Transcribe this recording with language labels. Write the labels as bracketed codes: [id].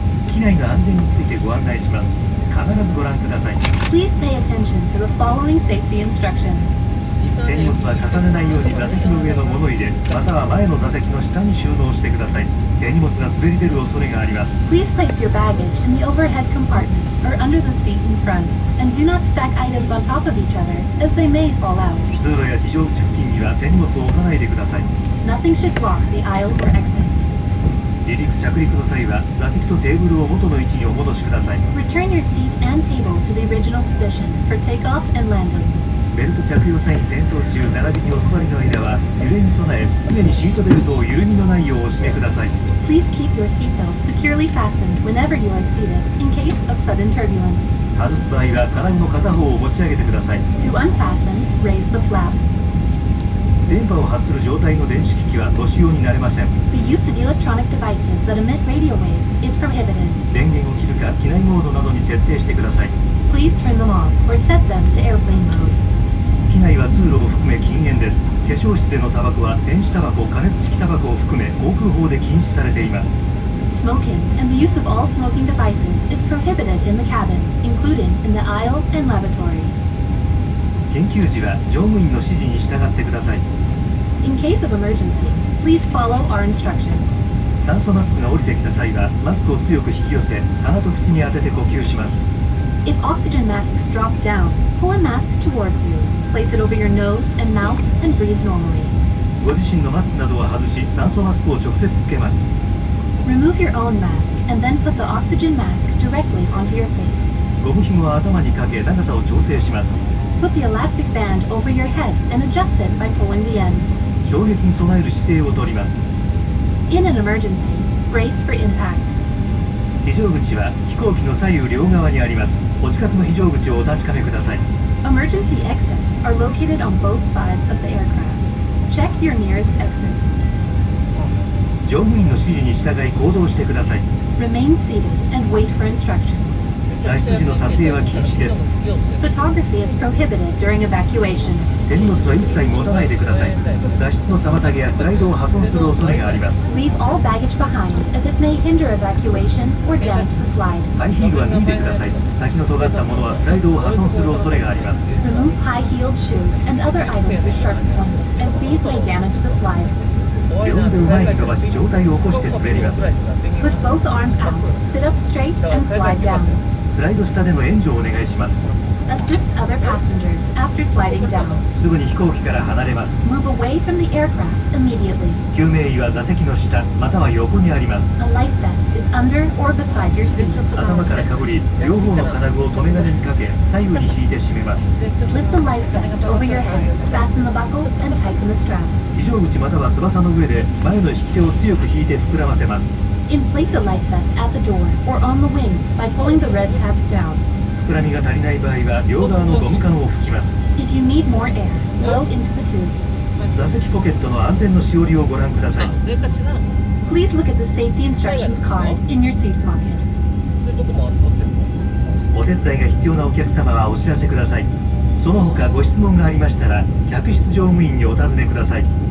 [ja] 機内の安全についてご案内します。必ずご覧ください。 [en] Please pay attention to the following safety instructions. [ja] 手荷物は重ねないように座席の上の物入れ、または前の座席の下に収納してください。手荷物が滑り出る恐れがあります。 [en] Please place your baggage in the overhead compartment or under the seat in front, and do not stack items on top of each other, as they may fall out. [ja] 通路や非常口付近には手荷物を置かないでください。 [en] Nothing should block the aisle or exits. [ja] 離陸着陸の際は座席とテーブルを元の位置にお戻しください。 [en] Return your seat and table to the original position for takeoff and landing. [ja] ベルト着用際、点灯中並びにお座りの間は揺れに備え、常にシートベルトを緩みのないようお締めください。 [en] Please keep your seatbelt securely fastened whenever you are seated in case of sudden turbulence. [ja] 外す場合は金具の片方を持ち上げてください。 [en] To unfasten, raise the flap. [ja] 電波を発する状態の電子機器はご使用になれません。 [en] The use of electronic devices that emit radio waves is prohibited. [ja] 電源を切るか機内モードなどに設定してください。 [en] Please turn them off or set them to airplane mode. [ja] 機内は通路を含め禁煙です。化粧室でのタバコは電子タバコ、加熱式タバコを含め航空法で禁止されています。 [en] Smoking and the use of all smoking devices is prohibited in the cabin, including in the aisle and lavatory. [ja] 緊急時は乗務員の指示に従ってください。 [en] In case of emergency, please follow our instructions. [ja] 酸素マスクが降りてきた際は、マスクを強く引き寄せ、鼻と口に当てて呼吸します。 [en] If oxygen masks drop down, pull a mask towards you. Place it over your nose and mouth and breathe normally. [ja] ご自身のマスクなどは外し、酸素マスクを直接つけます。 [en] Remove your own mask and then put the oxygen mask directly onto your face. [ja] ゴム紐は頭にかけ、長さを調整します。 [en] Put the elastic band over your head and adjust it by pulling the ends. [ja] 衝撃に備える姿勢をとります。 [en] In an emergency, brace for impact. [ja] 非常口は飛行機の左右両側にあります。お近くの非常口をお確かめください。 [en] Emergency exits are located on both sides of the aircraft. Check your nearest exits. [ja] 乗務員の指示に従い行動してください。 [en] Remain seated and wait for instructions. [ja] 脱出時の撮影は禁止です。 [en] Photography is prohibited during evacuation. [ja] 手荷物は一切持たないでください。脱出の妨げやスライドを破損する恐れがあります。 [en] Leave all baggage behind, as it may hinder evacuation or damage the slide. [ja] ハイヒールは脱いでください。先の尖ったものはスライドを破損する恐れがあります。 [en] Remove high-heeled shoes and other items with sharp points, as these may damage the slide. [ja] 両腕を前に伸ばし上体を起こして滑ります。 [en] Put both arms out, sit up straight and slide down. [ja] スライド下での援助をお願いします。 [en] Assist other passengers after sliding down. [ja] すぐに飛行機から離れます。 [en] Move away from the aircraft immediately. [ja] 救命衣は座席の下または横にあります。 [en] A life vest is under or beside your seat. [ja] 頭からかぶり、両方の金具を留め金にかけ、左右に引いて締めます。 [en] Slip the life vest over your head, fasten the buckles and tighten the straps. [ja] 非常口または翼の上で前の引き手を強く引いて膨らませます。 [en] Inflate the life vest at the door or on the wing by pulling the red tabs down. [ja] 膨らみが足りない場合は両側のゴム管を吹きます。 [en] If you need more air, blow into the tubes. [ja] 座席ポケットの安全のしおりをご覧ください。 [en] Please look at the safety instructions card in your seat pocket. [ja] お手伝いが必要なお客様はお知らせください。その他ご質問がありましたら客室乗務員にお尋ねください。